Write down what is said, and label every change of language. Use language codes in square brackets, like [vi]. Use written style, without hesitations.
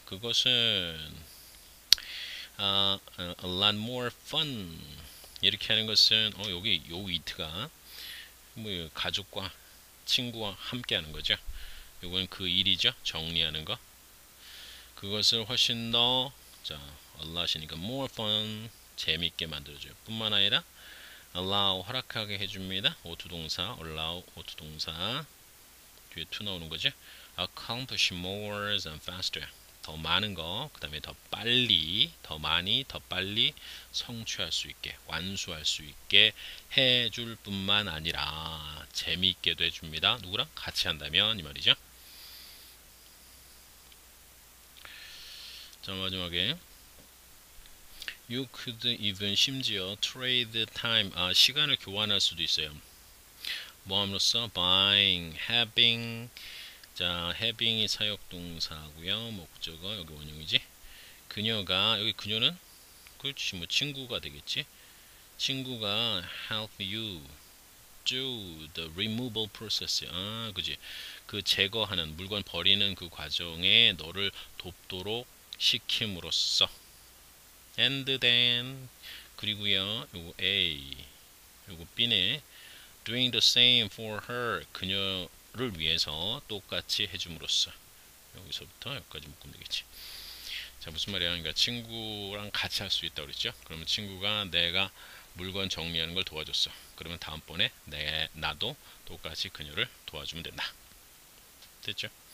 [ko] 그것은 [en] a lot more fun. [ko] 이렇게 하는 것은 여기 요 이트가 뭐 가족과 친구와 함께 하는 거죠. 요건 그 일이죠. 정리하는 거. 그것을 훨씬 더 자, a lot이니까 more fun 재밌게 만들어줘요. 뿐만 아니라 allow 허락하게 해줍니다. 오투 동사 allow 오투 동사. 뒤에 to 나오는 거지. [en] accomplish more and faster. [ko] 더 많은 거, 그 다음에 더 빨리, 더 많이, 더 빨리 성취할 수 있게, 완수할 수 있게 해줄 뿐만 아니라 재미있게도 해줍니다. 누구랑 같이 한다면 이 말이죠. 자, 마지막에. [en] You could even [ko] 심지어 [en] trade time, [ko] 시간을 교환할 수도 있어요. 뭐함으로써 buying, having. 자, having이 사역동사고요. 목적어 여기 원형이지. 그녀가 여기 그녀는 그렇지 뭐 친구가 되겠지. 친구가 [en] help you do the removal process. [ko] 아, 그지. 그 제거하는 물건 버리는 그 과정에 너를 돕도록 시킴으로써. [en] And then [ko] 그리고요. [en] 요거 A. 요거 B네. Doing the same for her. [ko] 그녀 를 위해서 똑같이 해줌으로써 여기서부터 여기까지 묶으면 되겠지. 자, 무슨 말이야? 그러니까 친구랑 같이 할수 있다고 그랬죠? 그러면 친구가 내가 물건 정리하는 걸 도와줬어. 그러면 다음번에 나도 똑같이 그녀를 도와주면 된다. 됐죠?